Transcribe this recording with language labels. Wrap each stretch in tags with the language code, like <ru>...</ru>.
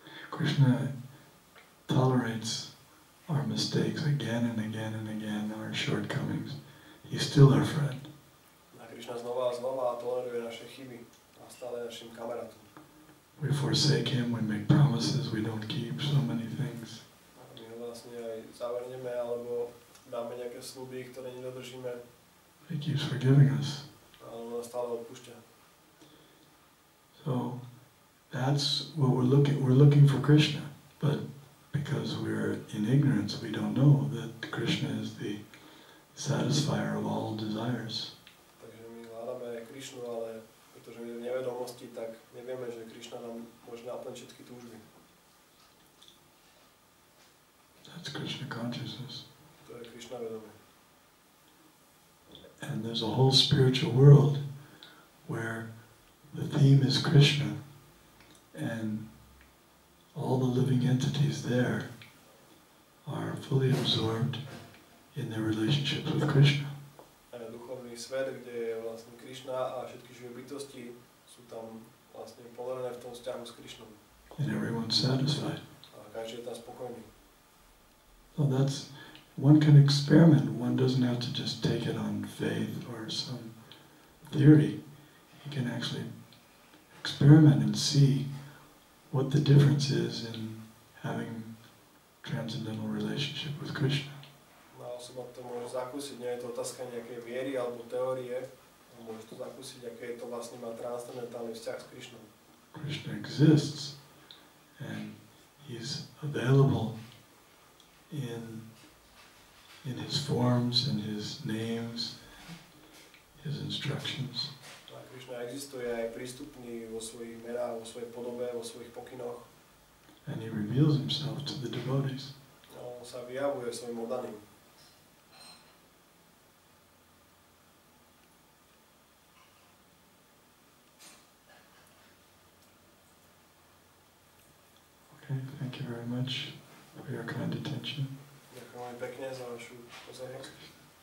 <en>Krishna tolerates our mistakes again and again and again, our shortcomings. He's still our friend.</en> <sk>A Krishna znova a znova toleruje naše chyby a stále našim kamarátom.</sk> <en>We forsake him, we make promises, we don't keep so many things.</en> <sk>My ho vlastne aj zavrneme alebo dáme nejaké sľuby, ktoré nedodržíme.</sk> <en>He keeps forgiving us.</en> <sk>A on nás stále odpúšťa.</sk> <en>So that's what we're looking for Krishna, but because we're in ignorance, we don't know that Krishna is the satisfier of all desires.</en> <sk>Takže my hľadáme Krishnu, ale pretože my v nevedomosti, tak nevieme, že Krishna nám môže naplniť všetky túžby.</sk> <en>That's Krishna consciousness.</en> <sk>To je Krishna vedomie.</sk> <en>And there's a whole spiritual world where the theme is Krishna, and all the living entities there are fully absorbed in their relationship with Krishna.</en> <sk>Duchovný svet, kde je vlastne Krishna a všetky živé bytosti sú tam vlastne ponorené v tom vzťahu s Krishnom.</sk> <en>And everyone's satisfied.</en> <sk>A každý je tam spokojný.</sk> <en>So that's, one can experiment. One doesn't have to just take it on faith or some theory. He can actually experiment and see what the difference is in having transcendental relationship with Krishna.</en> <sk>Na osoba to môže zakúsiť, nie je to otázka nejakej viery alebo teórie, môže to zakúsiť, aké je to vlastne mať transcendentálny vzťah s Krishnou.</sk> <en>Krishna exists and he is available in his forms and his names, his instructions.</en> <sk>A Krishna existuje a je prístupný vo svojich menách, vo svojej podobe, vo svojich pokynoch.</sk> <en>And he reveals himself to the devotees.</en> <sk>A on sa vyjavuje svojim oddaným.</sk> <en>Okay, thank you very much for your kind attention.</en> <sk>Ďakujem pekne za vašu pozornosť.</sk>